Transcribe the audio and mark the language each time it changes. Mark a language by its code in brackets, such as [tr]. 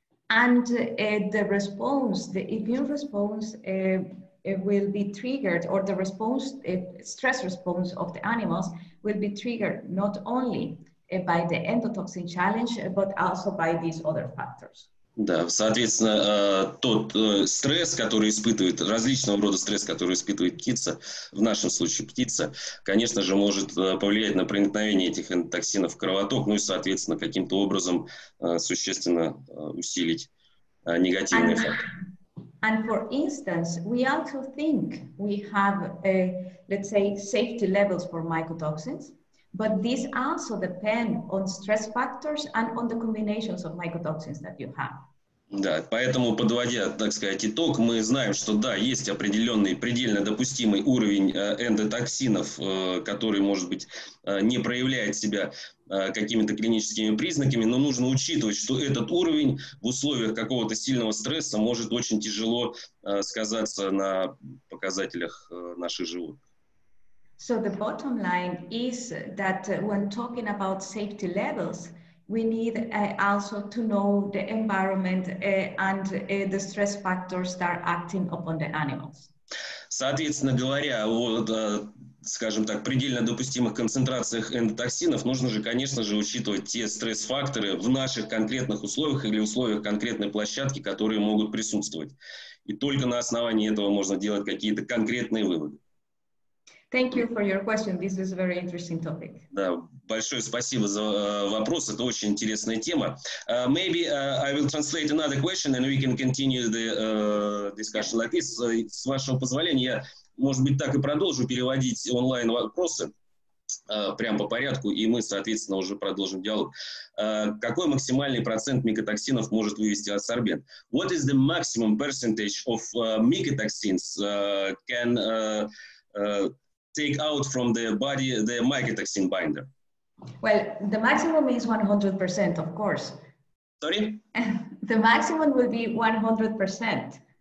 [en] And the response, the immune response, it will be triggered, or the response, stress response of the animals will be triggered not only by the endotoxin challenge, but also by these other factors. [ru] Да, соответственно, тот стресс, который испытывает, различного рода стресс, который испытывает птица, в нашем случае птица, конечно же, может повлиять на проникновение этих эндотоксинов в кровоток, ну и, соответственно, каким-то образом существенно усилить негативный эффект. [en] And for instance, we also think we have, let's say, safety levels for mycotoxins, but these also depend on stress factors and on the combinations of mycotoxins that you have. [ru] Да, поэтому, подводя, так сказать, итог, мы знаем, что да, есть определенный, предельно допустимый уровень эндотоксинов, который, может быть, не проявляет себя какими-то клиническими признаками, но нужно учитывать, что этот уровень в условиях какого-то сильного стресса может очень тяжело сказаться на показателях наших животных. [en] So the bottom line is that when talking about safety levels, we need also to know the environment and the stress factors that are acting upon the animals. [ru] Соответственно говоря, вот, скажем так, предельно допустимых концентрациях эндотоксинов нужно же, конечно же, учитывать те стресс-факторы в наших конкретных условиях или условиях конкретной площадки, которые могут присутствовать. И только на основании этого можно делать какие-то конкретные выводы. [en] Thank you for your question. This is a very interesting topic. [ru] Да, большое спасибо за вопрос. Это очень интересная тема. [en] Maybe I will translate another question and we can continue the discussion like this. [ru] С вашего позволения, я, может быть, так и продолжу переводить онлайн вопросы прямо по порядку, и мы, соответственно, уже продолжим диалог. Какой максимальный процент микотоксинов может вывести адсорбент? [en] What is the maximum percentage of mycotoxins can take out from the body the mycotoxin binder? Well, the maximum is 100%, of course. Sorry? The maximum will be 100%.